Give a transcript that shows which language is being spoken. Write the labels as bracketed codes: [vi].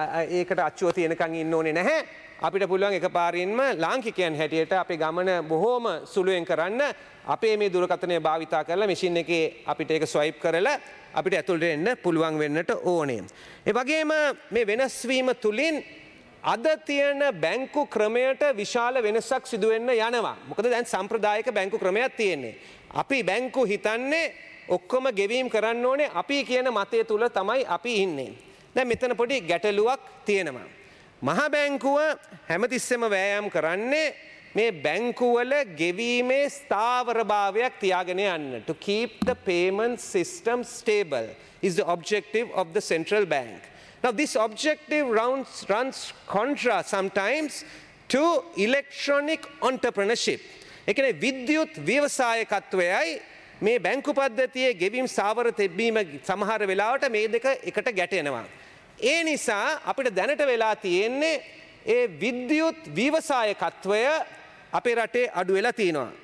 [si] ඒකට අච්චුව තියෙනකන් ඉන්න ඕනේ නැහැ අපිට පුළුවන් එකපාරින්ම ලාංකිකයන් හැටියට අපේ ගමන බොහොම සුළුෙන් කරන්න අපේ මේ දුරකථනය භාවිතා කරලා මැෂින් එකේ අපිට ඒක ස්වයිප් කරලා අපිට ඇතුළට එන්න පුළුවන් වෙන්නට ඕනේ ඒ වගේම මේ වෙනස් වීම තුලින් අද තියෙන බැංකු ක්‍රමයට විශාල වෙනසක් සිදු වෙන්න යනවා මොකද දැන් සම්ප්‍රදායික බැංකු ක්‍රමයක් තියෙන්නේ අපි බැංකු හිතන්නේ ඔක්කොම ගෙවීම් කරන්න ඕනේ අපි කියන මතය තුල තමයි අපි ඉන්නේ. දැන් මෙතන පොඩි ගැටලුවක් තියෙනවා. මහා බැංකුව හැමතිස්සෙම වෑයම් කරන්නේ මේ බැංකුවල ගෙවීමේ ස්ථාවරභාවයක් තියාගෙන යන්න. [en] To keep the payment system stable is the objective of the central bank. Now this objective runs contra sometimes to electronic entrepreneurship. [si] ඒ කියන්නේ විද්‍යුත් ව්‍යවසායකත්වයයි මේ බැංකු පද්ධතියේ ගෙවීම් සාවර තිබීම සමහර වෙලාවට මේ දෙක එකට ගැටෙනවා. ඒ නිසා අපිට දැනට වෙලා තියෙන්නේ ඒ විද්‍යුත් ව්‍යවසායකත්වය අපේ රටේ අඩු වෙලා තිනවා.